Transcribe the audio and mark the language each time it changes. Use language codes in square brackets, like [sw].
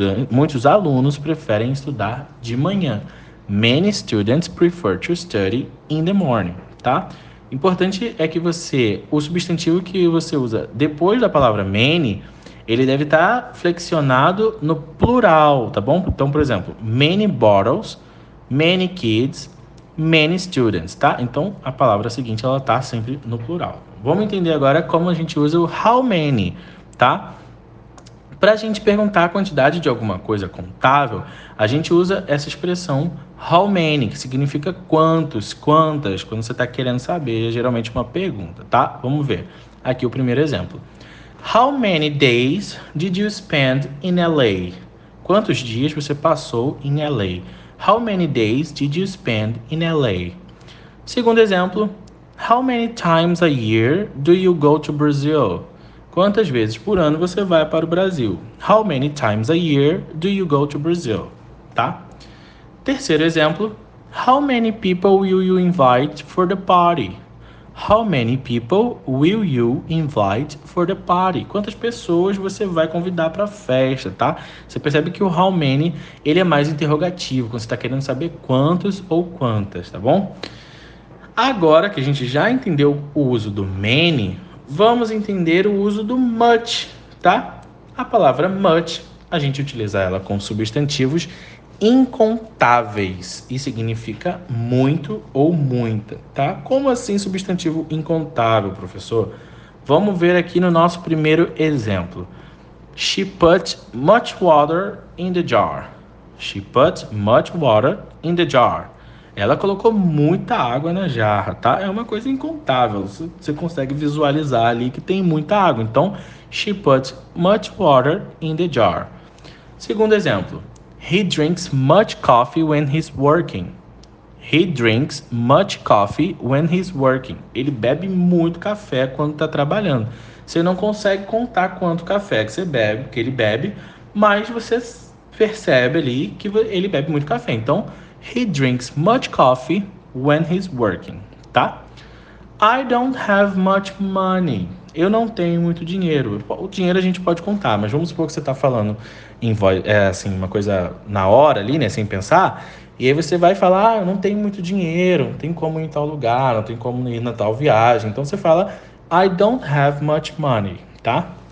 [pt] Muitos alunos preferem estudar de manhã. [en] Many students prefer to study in the morning, tá? [pt] Importante é que você, o substantivo que você usa depois da palavra many, ele deve estar flexionado no plural, tá bom? Então, por exemplo, [en] many bottles, many kids, many students, tá? [pt] Então, a palavra seguinte, ela tá sempre no plural. Vamos entender agora como a gente usa o how many, tá? Para a gente perguntar a quantidade de alguma coisa contável, a gente usa essa expressão how many, que significa quantos, quantas, quando você está querendo saber, é geralmente uma pergunta, tá? Vamos ver aqui o primeiro exemplo. [en] How many days did you spend in LA? [pt] Quantos dias você passou em LA? [en] How many days did you spend in LA? [pt] Segundo exemplo, [en] how many times a year do you go to Brazil? [pt] Quantas vezes por ano você vai para o Brasil? [en] How many times a year do you go to Brazil? Tá? [pt] Terceiro exemplo, [en] how many people will you invite for the party? How many people will you invite for the party? [pt] Quantas pessoas você vai convidar para a festa, tá? Você percebe que o how many, ele é mais interrogativo, quando você está querendo saber quantos ou quantas, tá bom? Agora que a gente já entendeu o uso do many, vamos entender o uso do much, tá? A palavra much, a gente utiliza ela com substantivos incontáveis e significa muito ou muita, tá? Como assim substantivo incontável, professor? Vamos ver aqui no nosso primeiro exemplo. [en] She put much water in the jar. She put much water in the jar. [pt] Ela colocou muita água na jarra, tá? É uma coisa incontável. Você consegue visualizar ali que tem muita água. [en] Então, she put much water in the jar. [pt] Segundo exemplo. [en] He drinks much coffee when he's working. He drinks much coffee when he's working. [pt] Ele bebe muito café quando está trabalhando. Você não consegue contar quanto café que você bebe, que ele bebe, mas você percebe ali que ele bebe muito café. [en] Então, he drinks much coffee when he's working, tá? I don't have much money. [pt] Eu não tenho muito dinheiro. O dinheiro a gente pode contar, mas vamos supor que você está falando em voz, assim, uma coisa na hora ali, né, sem pensar. E aí você vai falar, ah, eu não tenho muito dinheiro, não tem como ir em tal lugar, não tem como ir na tal viagem. Então você fala, [en] I don't have much money, tá?